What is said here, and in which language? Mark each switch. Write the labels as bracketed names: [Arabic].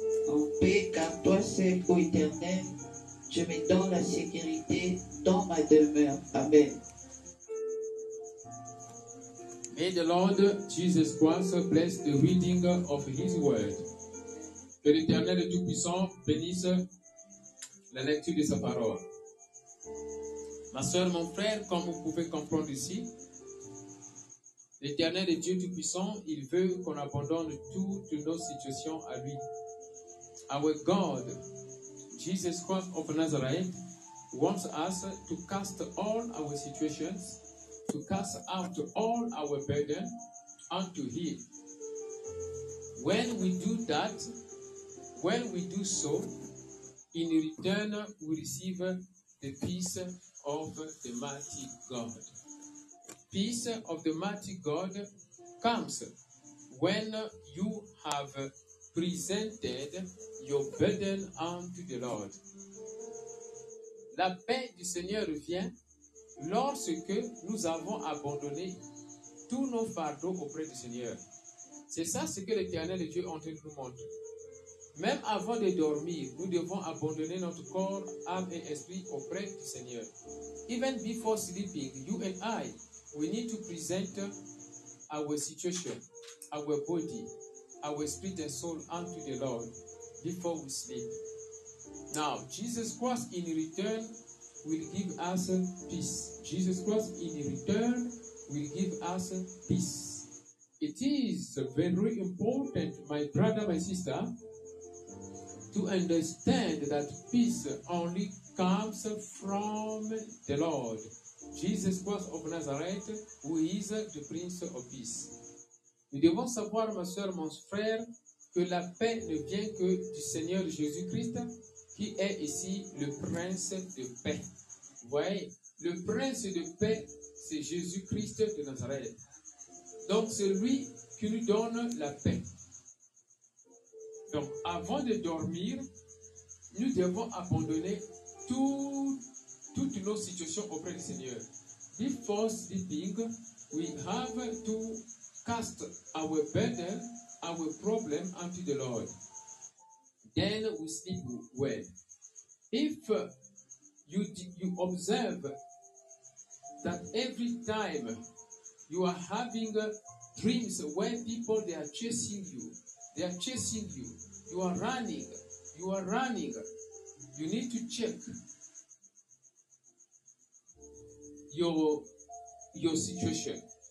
[French] En paix, car toi seul, ô Éternel, je me donne la sécurité dans ma demeure. Amen. [English] May the Lord Jesus Christ bless the reading of his word. [French] Que l'Éternel Tout-Puissant bénisse la lecture de sa parole. Ma soeur, mon frère, comme vous pouvez comprendre ici, l'Éternel Dieu Tout-Puissant, il veut qu'on abandonne toutes nos situations à lui. [English] Our God, Jesus Christ of Nazareth, wants us to cast all our situations, to cast out all our burden unto him. When we do that, when we do so, in return we receive the peace of the mighty God. Peace of the mighty God comes when you have presented your burden unto the Lord. [French] La paix du Seigneur vient lorsque nous avons abandonné tous nos fardeaux auprès du Seigneur. C'est ça ce que l'Éternel Dieu est en train de nous montrer. Même avant de dormir, nous devons abandonner notre corps, âme et esprit auprès du Seigneur. [English] Even before sleeping, you and I, we need to present our situation, our body, our spirit and soul unto the Lord before we sleep. Now, Jesus Christ in return will give us peace. Jesus Christ in return will give us peace. It is very important, my brother, my sister, to understand that peace only comes from the Lord, Jesus Christ of Nazareth, who is the Prince of Peace. [French] Nous devons savoir, ma soeur, mon frère, que la paix ne vient que du Seigneur Jésus-Christ, qui est ici le Prince de Paix. Voyez, le Prince de Paix, c'est Jésus-Christ de Nazareth. Donc, c'est lui qui nous donne la paix. Donc, avant de dormir, nous devons abandonner toutes nos situations auprès du Seigneur. [English] Before sleeping, we have to cast our burden, our problem unto the Lord. Then we sleep well. If you observe that every time you are having dreams where people, they are chasing you, they are chasing you, you are running, you need to check your situation.